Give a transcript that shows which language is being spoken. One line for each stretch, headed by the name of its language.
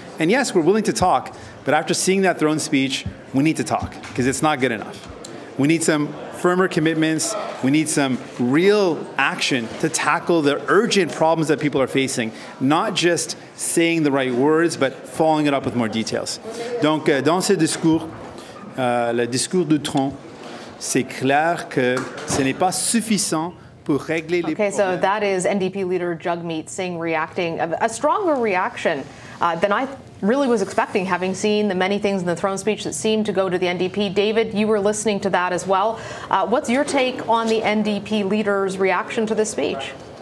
English: And yes, we're willing to talk, but after seeing that throne speech, we need to talk, because it's not good enough. We need some firmer commitments. We need some real action to tackle the urgent problems that people are facing, not just saying the right words, but following it up with more details.
French: Donc, dans ce discours, le discours du tronc, c'est clair que ce n'est pas suffisant.
English: Okay, so that is NDP leader Jugmeet Singh reacting, a stronger reaction than I really was expecting, having seen the many things in the throne speech that seemed to go to the NDP. David, you were listening to that as well. What's your take on the NDP leader's reaction to this speech?